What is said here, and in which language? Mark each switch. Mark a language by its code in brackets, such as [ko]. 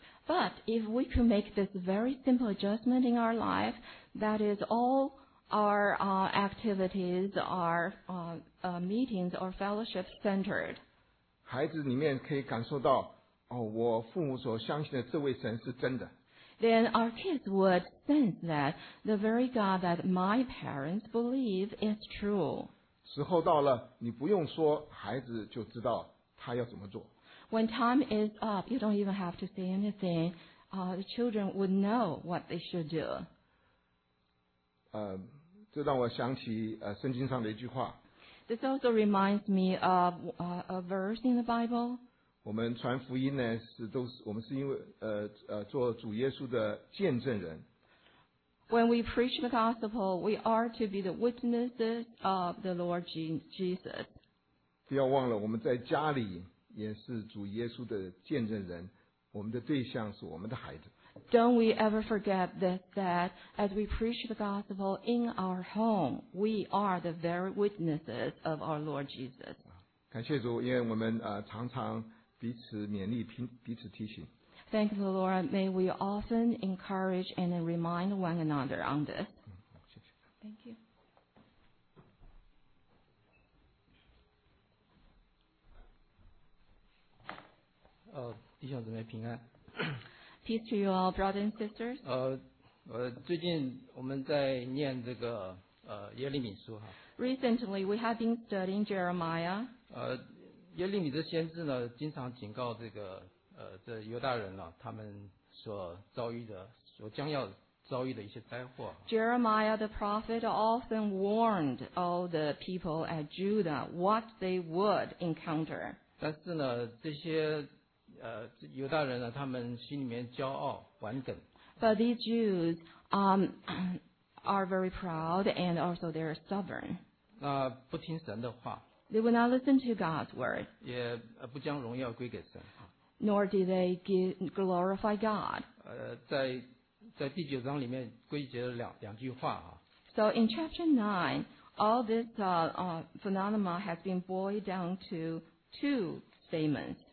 [en] But if we could make this very simple adjustment in our life, that is all our activities, our meetings or fellowship centered. [zh] 孩子里面可以感受到哦，我父母所相信的这位神是真的。 [en] Then our kids would sense that the very God that my parents believe is true. [zh] 时候到了，你不用说，孩子就知道他要怎么做。 [en] When time is up, you don't even have to say anything. The children would know what they should do. [zh] 这让我想起圣经上的一句话。 [en] This also reminds me of a verse in the Bible. [zh] 我们传福音呢，我们是因为做主耶稣的见证人。 [en] When we preach the gospel, we are to be the witnesses of the Lord Jesus. [zh] 不要忘了，我们在家里也是主耶稣的见证人，我们的对象是我们的孩子。 [en] Don't we ever forget that as we preach the gospel in our home, we are the very witnesses of our Lord Jesus. [zh] 感谢主，因为我们常常。彼此勉励，彼此提醒。 [en] Thank the Lord. May we often encourage and remind one another on this. [zh] 谢谢。 [en] Thank you. [zh] 弟兄姊妹平安。 [en] Peace to you all, brothers and sisters. [zh] 最近我们在念这个耶利米书哈。 [en] Recently, we have been studying Jeremiah. [zh] 耶利米的先知呢，经常警告这个这犹大人了、啊，他们所遭遇的、所将要遭遇的一些灾祸。 [en] Jeremiah the prophet often warned all the people at Judah what they would encounter. [zh] 但是呢，这些犹大人呢，他们心里面骄傲、顽梗。 [en] But these Jews are very proud and also they are stubborn. [zh] 那不听神的话。 [en] They would not listen to God's word. [zh] 也不将荣耀归给神。 [en] Nor did they glorify God. [zh] 在第九章里面归结了两句话啊。 [en] So in chapter 9, all this phenomena has been boiled down to two statements.